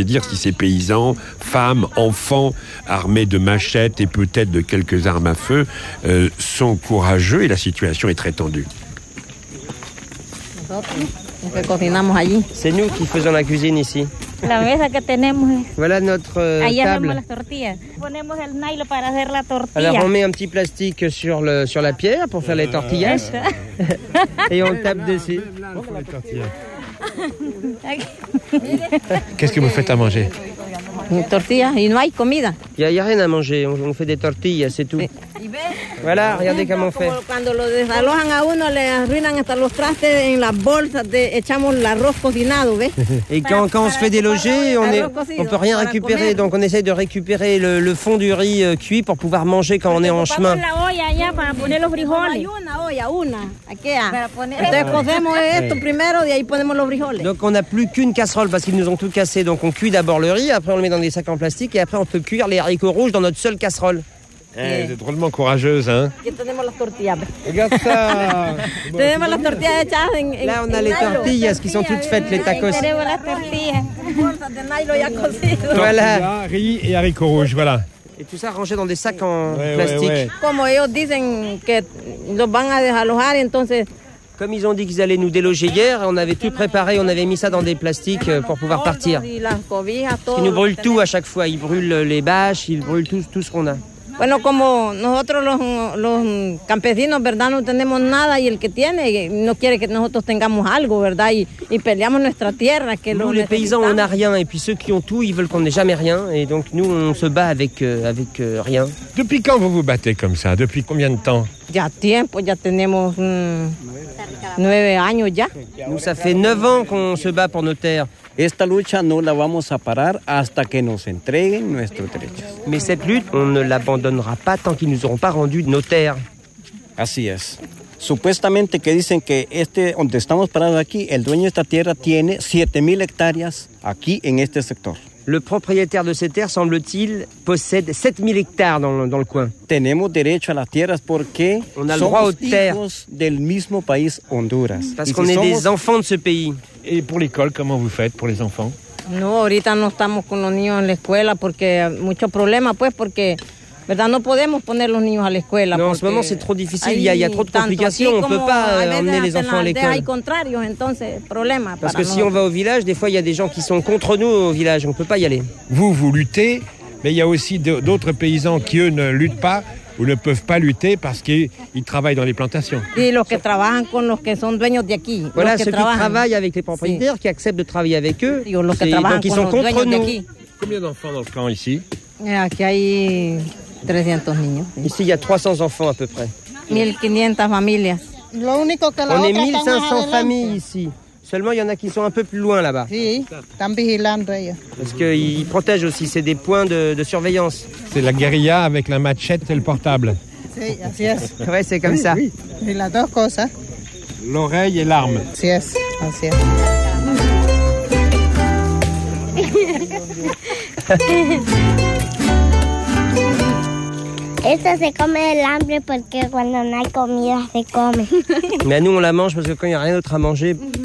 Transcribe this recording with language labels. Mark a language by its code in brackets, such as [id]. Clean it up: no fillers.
[fr] C'est dire si ces paysans, femmes, enfants, armés de machettes et peut-être de quelques armes à feu, sont courageux, et la situation est très tendue. C'est nous qui faisons la cuisine ici. [es] La mesa que tenemos. [fr] Voilà notre [es] ahí [fr] table. [es] Ponemos el nylon para hacer la tortilla. [fr] Alors on met un petit plastique sur la pierre pour faire les tortillas. Et on tape dessus. Qu'est-ce que vous faites à manger? Une tortilla. [es] Y no hay comida. [fr] Y a rien à manger. On fait des tortillas, c'est tout. Voilà, regardez comment on fait. [es] Cuando lo desalojan a uno, le arruinan hasta los trastes en las bolsas, echamos el arroz cocinado, ¿ves? [fr] Et quand on se fait déloger, on peut rien récupérer. Donc on essaie de récupérer le fond du riz cuit pour pouvoir manger quand on est en chemin. [es] La olla allá para poner los frijoles. Una. Entonces cocemos esto primero y ahí ponemos los frijoles. [fr] Donc on n'a plus qu'une casserole parce qu'ils nous ont tout cassé. Donc on cuit d'abord le riz, après on le met dans des sacs en plastique et après on peut cuire les haricots rouges dans notre seule casserole. Vous êtes drôlement courageuse, hein? Regarde ça! [es] Tenemos las tortillas hechas en nylon. [fr] Là, on a les tortillas qui sont toutes faites, les tacos. [es] Tenemos las tortillas. [fr] Voilà. Riz et haricots rouges, voilà. Et tout ça rangé dans des sacs en plastique. [es] Como ellos dicen que los van a desalojar, entonces. [fr] Comme ils ont dit qu'ils allaient nous déloger hier, on avait tout préparé, on avait mis ça dans des plastiques pour pouvoir partir. Parce qu'ils nous brûlent tout à chaque fois. Ils brûlent les bâches, ils brûlent tout ce qu'on a. [es] Bueno, como nosotros los campesinos, ¿verdad? No tenemos nada y el que tiene no quiere que nosotros tengamos algo, ¿verdad? Y peleamos nuestra tierra. Que [fr] nous, les paysans, on n'a rien. Et puis ceux qui ont tout, ils veulent qu'on n'ait jamais rien. Et donc nous, on se bat avec rien. Depuis quand vous vous battez comme ça? Depuis combien de temps? [es] Ya tiempo, ya tenemos 9 años ya. [fr] Nous, ça fait 9 ans qu'on se bat pour nos terres. [es] Esta lucha no la vamos a parar hasta que nos entreguen nuestros derechos. [fr] Mais cette lutte, on ne l'abandonnera pas tant qu'ils nous auront pas rendu nos terres. [es] Así es. Supuestamente que dicen que este donde estamos parados aquí, el dueño de esta tierra tiene 7000 hectáreas aquí en este sector. [fr] Le propriétaire de ces terres, semble-t-il, possède 7000 hectares dans le coin. [es] Tenemos derecho a las tierras porque [fr] on a le droit aux terres [es] del mismo país Honduras. [fr] Parce qu'on est des enfants de ce pays. Et pour l'école, comment vous faites pour les enfants? [es] No, ahorita no estamos con los niños en la escuela porque mucho problema pues porque verdad no podemos poner los niños a la escuela. [fr] Non, en ce moment c'est trop difficile, il y a trop de complications, on peut pas emmener les enfants à l'école. [es] Hay contrario, entonces problema para. [fr] Parce que si on va au village, des fois il y a des gens qui sont contre nous au village, on peut pas y aller. Vous luttez mais il y a aussi d'autres paysans qui, eux, ne luttent pas ou ne peuvent pas lutter parce qu'ils travaillent dans les plantations. [es] Et los que trabajan con los que son dueños de aquí. [fr] Voilà, ceux qui travaillent avec les propriétaires, qui acceptent de travailler avec eux, donc ils sont contre nous. Combien d'enfants dans le camp ici? [es] Aquí hay 300 niños. [fr] Ici, il y a 300 enfants à peu près. [es] 1500 familias. Lo único que la [fr] on est 1500 familles ici. Seulement, il y en a qui sont un peu plus loin là-bas. Oui, [es] están vigilando ellos. [fr] Parce qu'ils protègent aussi, c'est des points de surveillance. C'est la guérilla avec la machette et le portable. [es] Sí, así es. [fr] Ouais, c'est comme oui, ça. Oui. [es] Y las dos cosas. [fr] L'oreille et l'arme. [es] Sí, es. Así es. Esto se come del hambre porque cuando no hay comida se come. [fr] Mais nous on la mange parce que quand il n'y a rien d'autre à manger.